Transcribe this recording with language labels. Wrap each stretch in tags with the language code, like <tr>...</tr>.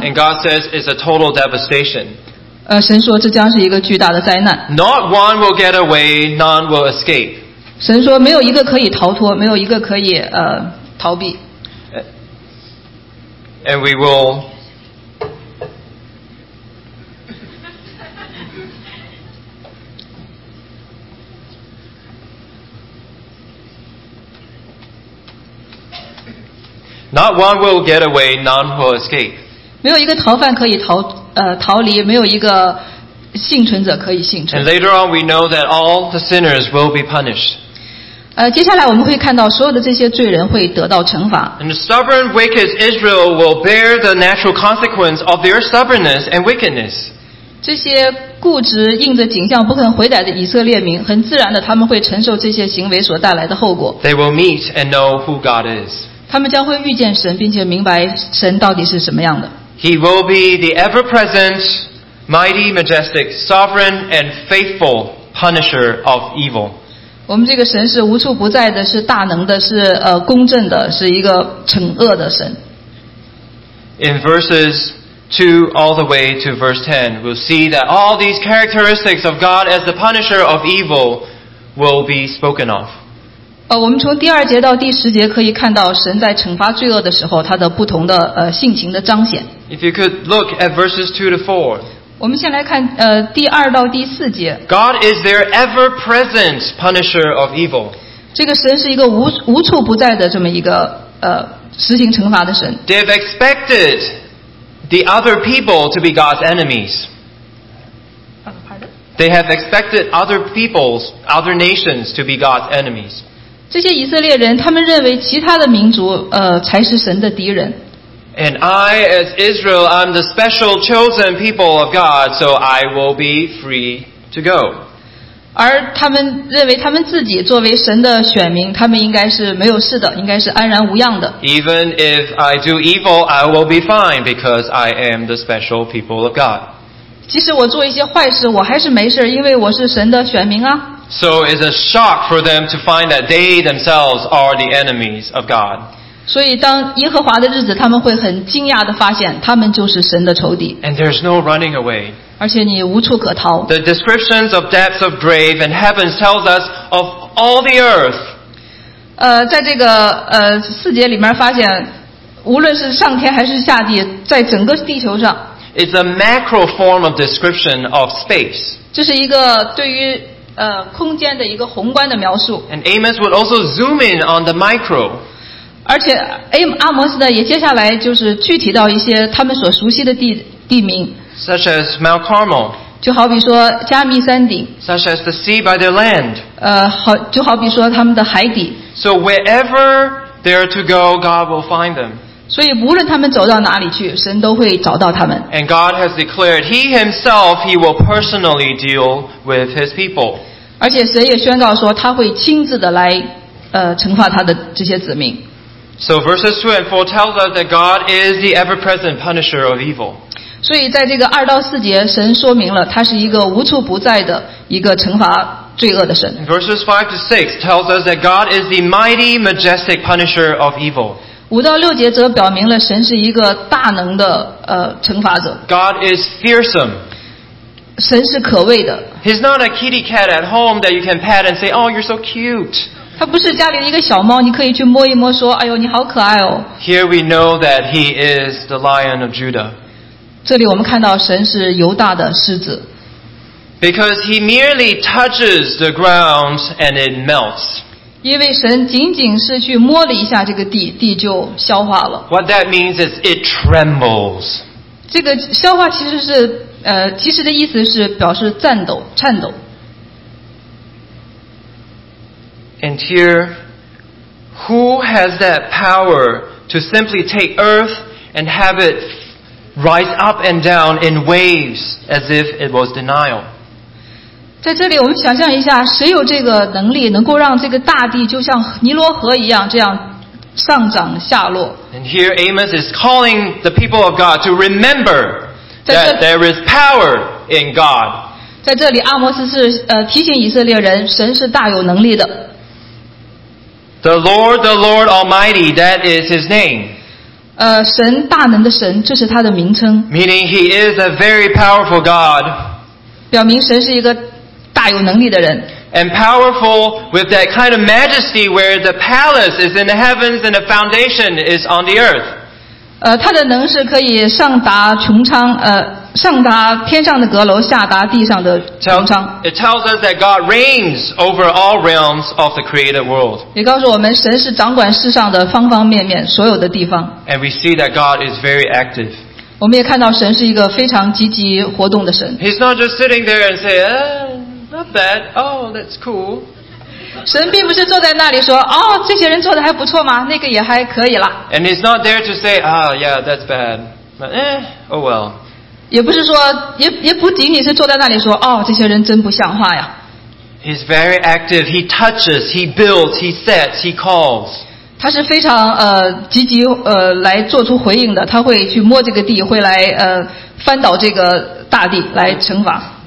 <en>And God says it's a total devastation.</en> <zh>神说这将是一个巨大的灾难。</zh> <en>Not one will get away; none will escape.</en> <zh>神说没有一个可以逃脱，没有一个可以逃避。</zh> <en>And we will. Not one will get away. None will escape.</en> <zh>没有一个逃犯可以逃离，没有一个幸存者可以幸存。</zh> <en>And later on, we know that all the sinners will be punished.</en> <zh>接下来我们会看到所有的这些罪人会得到惩罚。</zh> <en>And the stubborn, wicked Israel will bear the natural consequence of their stubbornness and wickedness.</en> <zh>这些固执、硬着景象、不肯悔改的以色列民，很自然的他们会承受这些行为所带来的后果。</zh> <en>They will meet and know who God is.</en> <zh>他们将会遇见神，并且明白神到底是什么样的。</zh> <en>He will be the ever-present, mighty, majestic, sovereign, and faithful punisher of evil.</en> <zh>我们这个神是无处不在的，是大能的，是公正的，是一个惩恶的神。</zh> <en>In verses 2 all the way to verse 10, we'll see that all these characteristics of God as the punisher of evil will be spoken of.</en> <zh>我们从第二节到第十节可以看到神在惩罚罪恶的时候，他的不同的性情的彰显。</zh> <en>If you could look at verses 2 to 4.</en> <zh>我们先来看第二到第四节。</zh> <en>God is their ever-present punisher of evil.</en> <zh>这个神是一个无处不在的这么一个实行惩罚的神。</zh> <en>They've expected the other people to be God's enemies. Pardon? They have expected other peoples, other nations to be God's enemies.</en> <zh>这些以色列人，他们认为其他的民族才是神的敌人。</zh> <en>And I, as Israel, I'm the special chosen people of God, so I will be free to go.</en> <zh>而他们认为他们自己作为神的选民，他们应该是没有事的，应该是安然无恙的。</zh> <en>Even if I do evil, I will be fine because I am the special people of God.</en> <zh>即使我做一些坏事，我还是没事，因为我是神的选民啊。</zh> <en>So it's a shock for them to find that they themselves are the enemies of God.</en> <zh>所以当耶和华的日子，他们会很惊讶地发现，他们就是神的仇敌。</zh> <en>And there's no running away.</en> <zh>而且你无处可逃。</zh> <en>The descriptions of depths of grave and heavens tells us of all the earth.</en> <zh>在这个四节里面发现，无论是上天还是下地，在整个地球上。</zh> <en>It's a macro form of description of space.</en> <zh>这是一个对于空间的一个宏观的描述。</zh> <en>And Amos would also zoom in on the micro.</en> <zh>而且阿摩斯呢，也接下来就是具体到一些他们所熟悉的地名</zh> <en>，such as Mount Carmel，</en> <zh>就好比说加密山顶</zh> <en>，such as the sea by their land，</en> <zh>就好比说他们的海底。</zh> <en>So wherever they are to go, God will find them.</en> <zh>所以无论他们走到哪里去，神都会找到他们。</zh> <en>And God has declared He Himself He will personally deal with His people.</en> <zh>而且神也宣告说他会亲自的来惩罚他的这些子民。</zh> <en>So verses 2 and 4 tells us that God is the ever-present punisher of evil.</en> <zh>所以在这个2到4节，神说明了他是一个无处不在的一个惩罚罪恶的神。</zh> <en>Verses 5 to 6 tells us that God is the mighty, majestic punisher of evil.</en> <zh>5到6节则表明了神是一个大能的惩罚者。</zh> <en>God is fearsome.</en> <zh>神是可畏的。</zh> <en>He's not a kitty cat at home that you can pet and say, oh, you're so cute.</en> <zh>他不是家里的一个小猫，你可以去摸一摸，说：“哎呦，你好可爱哦。”</zh> <en>Here we know that he is the lion of Judah.</en> <zh>这里我们看到神是犹大的狮子。</zh> <en>Because he merely touches the ground and it melts.</en> <zh>因为神仅仅是去摸了一下这个地，地就消化了。</zh> <en>What that means is it trembles.</en> <zh>这个消化其实是其实的意思是表示颤抖，颤抖。</zh> <en>And here, who has that power to simply take earth and have it rise up and down in waves as if it was the Nile?</en> <zh>在这里，我们想象一下，谁有这个能力，能够让这个大地就像尼罗河一样这样上涨下落？</zh> <en>And here, Amos is calling the people of God to remember that there is power in God.</en> <zh>在这里，阿摩斯是提醒以色列人，神是大有能力的。</zh> <en>The Lord Almighty, that is His name.</en> <zh>神大能的神，这是他的名称。</zh> <en>Meaning He is a very powerful God.</en> <zh>表明神是一个大有能力的人。</zh> <en>And powerful with that kind of majesty where the palace is in the heavens and the foundation is on the earth.</en> <zh>他的能是可以上达穹苍，上达天上的阁楼，下达地上的穹苍。</zh> <en>It tells us that God reigns over all realms of the created world.</en> <zh>也告诉我们，神是掌管世上的方方面面，所有的地方。</zh> <en>And we see that God is very active.</en> <zh>我们也看到神是一个非常积极活动的神。</zh> <en>He's not just sitting there and say, not bad. Oh, that's cool.</en> <zh>神并不是坐在那里说，哦，这些人做的还不错吗？那个也还可以啦。</zh> <en>And He's not there to say, yeah, that's bad. But, oh well.</en> <zh>也不是说 也不仅仅是坐在那里说，哦，这些人真不像话呀。</zh> <en>He's very active. He touches. He builds. He sets. He calls.</en> <zh>他是非常积极来做出回应的。他会去摸这个地，会来翻倒这个大地来惩罚。</zh>